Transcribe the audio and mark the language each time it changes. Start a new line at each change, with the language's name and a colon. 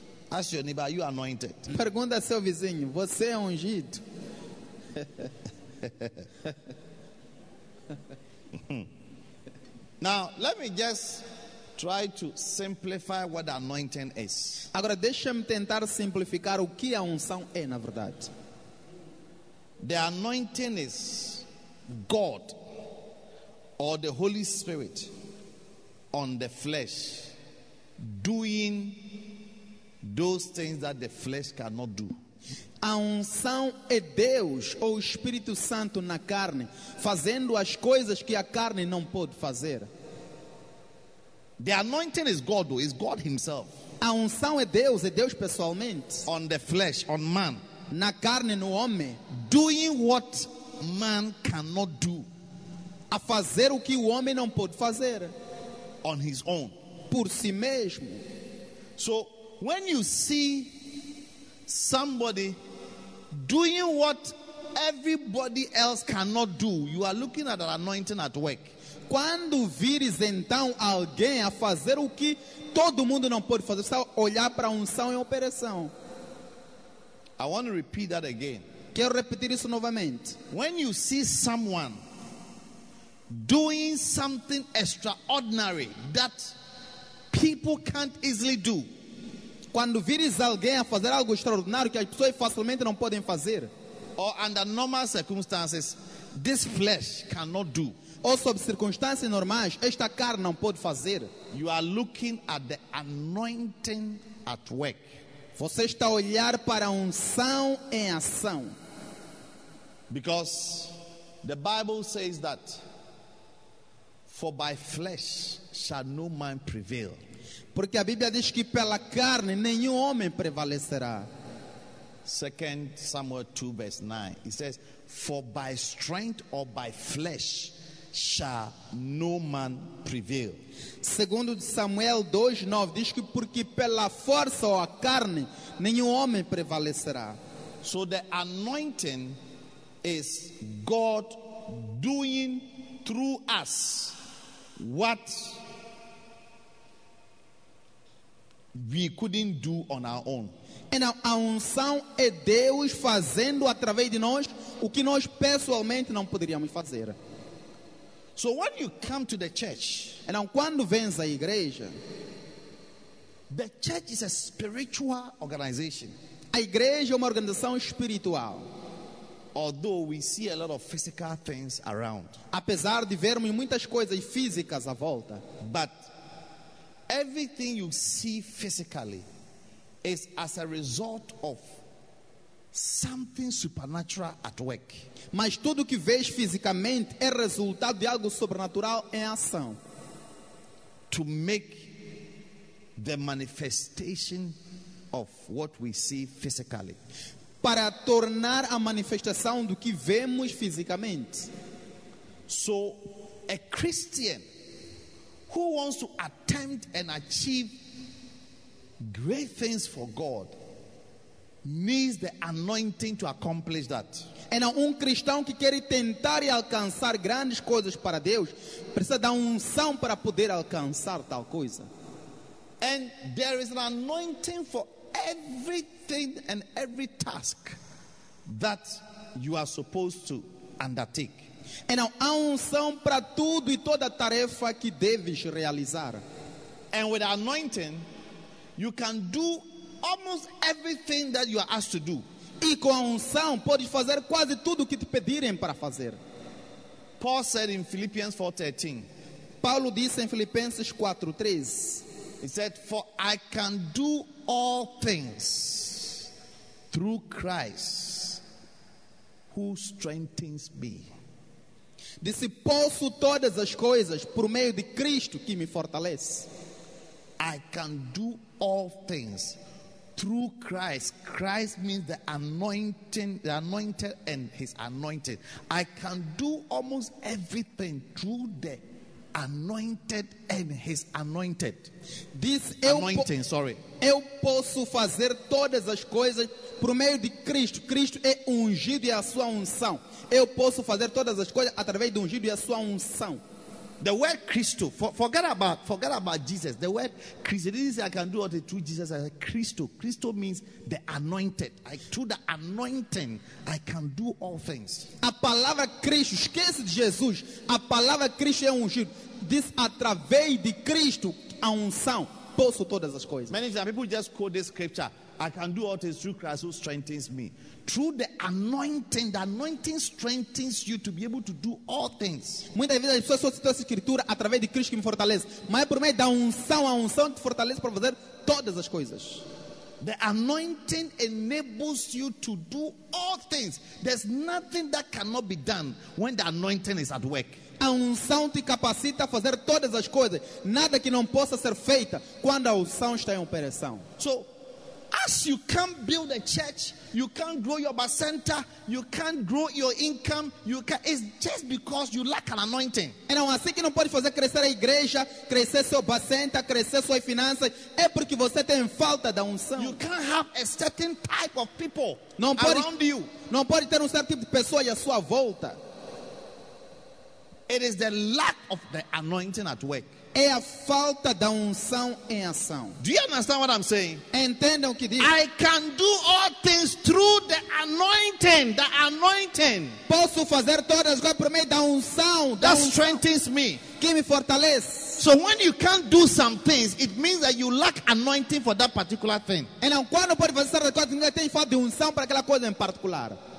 English: Ask your neighbor, are you anointed?
Portuguese: Pergunta ao seu vizinho, você é ungido?
English: Now, let me just try to simplify what anointing is.
Portuguese: Agora deixa-me tentar simplificar o que a unção é na verdade.
English: The anointing is God or the Holy Spirit on the flesh doing those things that the flesh cannot do.
Portuguese: A unção é Deus ou o Espírito Santo na carne fazendo as coisas que a carne não pode fazer.
English: The anointing is God, though. It's God himself.
Portuguese: A unção é Deus pessoalmente.
English: On the flesh, on man.
Portuguese: Na carne, no homem.
English: Doing what man cannot do.
Portuguese: A fazer o que o homem não pode fazer.
English: On his own.
Portuguese: Por si mesmo.
English: So, when you see somebody doing what everybody else cannot do, you are looking at an anointing at work.
Portuguese: Quando vires então alguém a fazer o que todo mundo não pode fazer, você vai olhar para a unção em operação.
English: I want to repeat that again.
Portuguese: Quero repetir isso novamente.
English: When you see someone doing something extraordinary that people can't easily do.
Portuguese: Quando vires alguém a fazer algo extraordinário que as pessoas facilmente não podem fazer.
English: Or under normal circumstances, this flesh cannot do.
Portuguese: Ou sob circunstâncias normais, esta carne não pode fazer.
English: You are looking at the anointing at work.
Portuguese: Você está a olhar para a unção em ação.
English: Because the Bible says that for by flesh shall no man prevail.
Portuguese: Porque a Bíblia diz que pela carne nenhum homem prevalecerá.
English: 2 Samuel 2 verse 9. It says, for by strength or by flesh shall no man prevail.
Portuguese: Segundo Samuel 2:9 diz que porque pela força ou a carne nenhum homem prevalecerá.
English: So the anointing is God doing through us what we couldn't do on our own.
Portuguese: Então a unção é Deus fazendo através de nós o que nós pessoalmente não poderíamos fazer.
English: So when you come to the church,
Portuguese: então quando vens à igreja,
English: the church is a spiritual organization.
Portuguese: A igreja é uma organização espiritual.
English: Although we see a lot of physical things around,
Portuguese: apesar de vermos muitas coisas físicas à volta,
English: but everything you see physically is as a result of something supernatural at work.
Portuguese: Mas tudo que vês fisicamente é resultado de algo sobrenatural em ação.
English: To make the manifestation of what we see physically.
Portuguese: Para tornar a manifestação do que vemos fisicamente.
English: So, a Christian who wants to attempt and achieve great things for God needs the anointing to accomplish that.
Portuguese: Então cristão que quer tentar e alcançar grandes coisas para Deus precisa da unção para poder alcançar tal coisa.
English: And there is an anointing for everything and every task that you are supposed to undertake.
Portuguese: Então há unção para tudo e toda tarefa que deves realizar.
English: And with anointing you can do almost everything that you are asked to do.
Portuguese: E com a unção pode fazer quase tudo o que te pedirem para fazer.
English: Paul said in Philippians 4:13.
Portuguese: Paulo disse em Filipenses 4:13.
English: He said, "For I can do all things through Christ who strengthens me."
Portuguese: Disse, posso todas as coisas por meio de Cristo que me fortalece.
English: I can do all things through Christ. Christ means the anointing, the anointed and his anointed. I can do almost everything through the anointed and his anointed. This anointing, sorry.
Portuguese: Eu posso fazer todas as coisas por meio de Cristo. Cristo é ungido e a sua unção. Eu posso fazer todas as coisas através do ungido e a sua unção.
English: The word Cristo, forget about Jesus. The word Cristo, didn't say I can do all the through Jesus. I said Cristo. Cristo means the anointed. Through the anointing, I can do all things.
Portuguese: A palavra Cristo, esquece de Jesus. A palavra Cristo é ungido. Diz através de Cristo, a unção. Posso todas as coisas.
English: Many times people just quote this scripture. I can do all things through Christ who strengthens me. Through the anointing strengthens you to be able to do all things.
Portuguese: Muitas vezes as pessoas só citam essa escritura através de Cristo que me fortalece. Mas por meio da unção, a unção te fortalece para fazer todas as coisas.
English: The anointing enables you to do all things. There's nothing that cannot be done when the anointing is at work.
Portuguese: A unção te capacita a fazer todas as coisas. Nada que não possa ser feita quando a unção está em operação.
English: So, as you can't build a church, you can't grow your bus center, you can't grow your income, you can, it's just because you lack an anointing.
Portuguese: Então, assim que não pode fazer crescer a igreja, crescer seu bus center, crescer suas finanças, é porque você tem falta da unção.
English: You can't have a certain type of people
Portuguese: não pode,
English: around you.
Portuguese: Não pode ter certo tipo de pessoa à sua volta.
English: It is the lack of the anointing at work.
Portuguese: É a falta da unção em ação.
English: Do you understand what I'm saying?
Portuguese: Entendam o que diz.
English: I can do all things through the anointing.
Portuguese: Posso fazer todas as coisas por meio da unção.
English: That strengthens me.
Portuguese: Que me fortalece.
English: So when you can't do some things, it means that you lack anointing for that particular thing.
Portuguese: Então, quando pode fazer certas coisas, ninguém tem falta de unção para aquela coisa em particular.